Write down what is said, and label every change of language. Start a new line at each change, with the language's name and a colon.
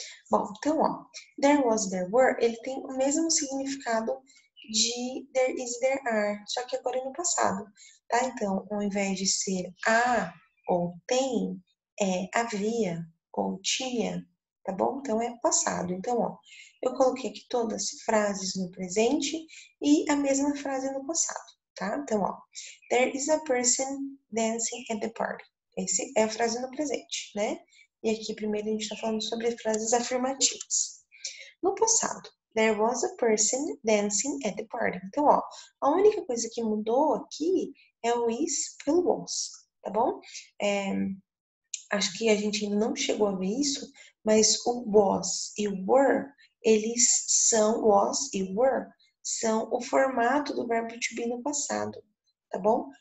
Portuguese: Bom, então, ó, there was, there were, ele tem o mesmo significado de there is, there are, só que agora é no passado, tá? Então, ao invés de ser há ou tem, é havia ou tinha, tá bom? Então, é passado. Então, ó, eu coloquei aqui todas as frases no presente e a mesma frase no passado. Tá? Então, ó,
English: there is a person dancing at the party.
Portuguese: Essa é a frase no presente, né? E aqui, primeiro, a gente está falando sobre frases afirmativas. No passado,
English: There was a person dancing at the party.
Portuguese: Então, ó, a única coisa que mudou aqui é o is pro was, tá bom? Acho que a gente ainda não chegou a ver isso, mas o was e o were, eles são, was e were, são o formato do verbo to be no passado, tá bom?